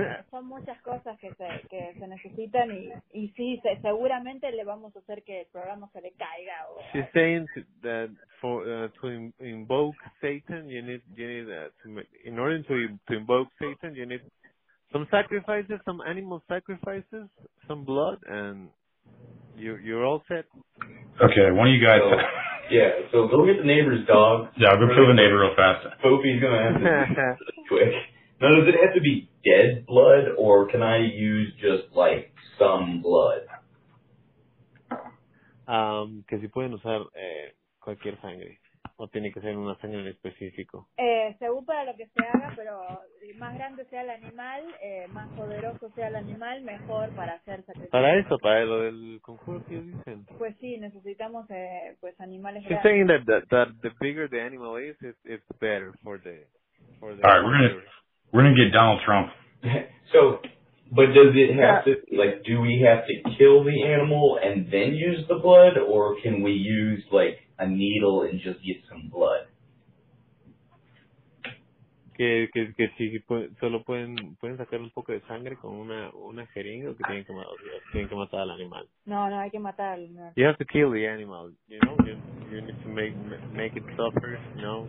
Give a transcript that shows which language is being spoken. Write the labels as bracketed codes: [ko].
[es] Son muchas cosas que se necesitan y sí, seguramente le vamos a hacer que el programa se le caiga. O she's algo. [en] Saying that to invoke Satan, you need, in order to invoke Satan, you need some sacrifices, some animal sacrifices, some blood, and you're all set. Okay, one of you guys. So go get the neighbor's dog. Yeah, go kill the neighbor real fast. Poopy's gonna have to quick. No, does it have to be dead blood, or can I use just like some blood? [es] Que si pueden usar cualquier sangre, o tiene que ser una sangre en específico. Según para lo que se haga, pero más grande sea el animal, más poderoso sea el animal, mejor para hacer sacrificio. Para eso, para lo del conjuro que dicen. Pues sí, necesitamos animales. [en] She's saying that the bigger the animal is, it's better for the. All right, we're going to get Donald Trump. So, but does it have to, like, do we have to kill the animal and then use the blood? Or can we use, like, a needle and just get some blood? [es] Que si solo pueden sacar un poco de sangre con una jeringa, que tienen que matar al animal. No, hay que matar al animal. [en] You have to kill the animal, you know? You need to make it suffer, you know?